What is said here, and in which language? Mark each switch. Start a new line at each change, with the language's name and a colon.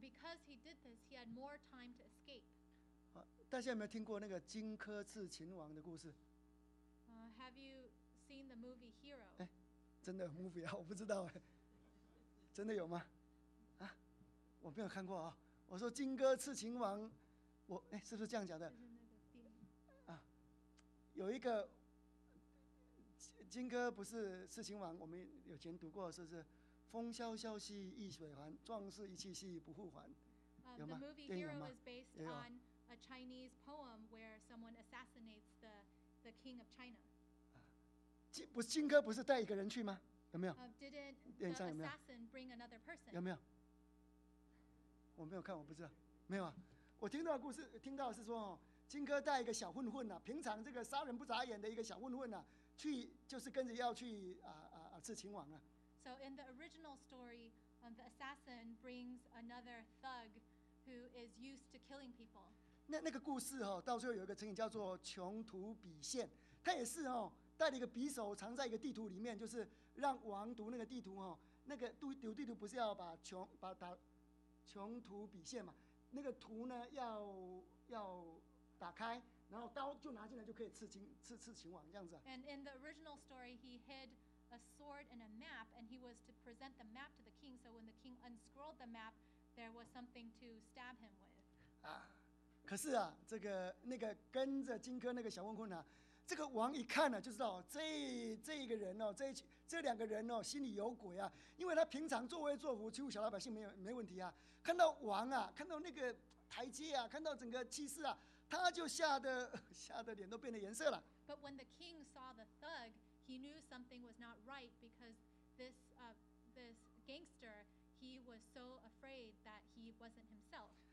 English: because he did this, he had more time to escape.
Chinese: 大家有没有听过那个荆轲刺秦王的故事？
English: Have you seen the movie Hero?
Chinese: 哎，真的 movie 啊，我不知道哎，真的有吗？啊，我没有看过啊、哦。我说荆轲刺秦王，我哎，是不是这样讲的？啊，有一个荆轲不是刺秦王，我们有前读过，是不是？风萧萧兮易水寒，壮士一气兮不复还。
English: The movie Hero is based on a Chinese poem where someone assassinates the king of China.
Chinese: 荆轲不是带一个人去吗？有没有？
English: Didn't the assassin bring another person?
Chinese: 有没有？我没有看，我不知道。没有啊， 我听到的故事， 听到的是说， 荆轲带一个小混混啊， 平常这个杀人不眨眼的一个小混混啊， 去， 就是跟着要去， 刺秦王啊。
English: So in the original story, the assassin brings another thug who is used to killing people.
Chinese: 那个故事哦， 到最后有一个成语叫做穷途匕现， 他也是哦， 带了一个匕首藏在一个地图里面， 就是让王读那个地图哦， 那个读地图不是要把穷， 把穷途匕现嘛， 那个图呢， 要打开， 然后刀就拿进来就可以刺秦， 刺秦王， 这样子啊。
English: And in the original story, he hid a sword and a map, and he was to present the map to the king. So when the king unscrolled the map, there was something to stab him with.
Chinese: 啊， 可是啊， 这个， 那个跟着荆轲那个小混混啊， 这个王一看呢，就知道这两个人哦，心里有鬼啊，因为他平常作威作福，欺负小老百姓没有问题啊。看到王啊，看到那个台阶啊，看到整个气势啊，他就吓得脸都变得颜色了。
English: But when the king saw the thug, he knew something was not right because this this gangster, he was so afraid that he wasn't himself.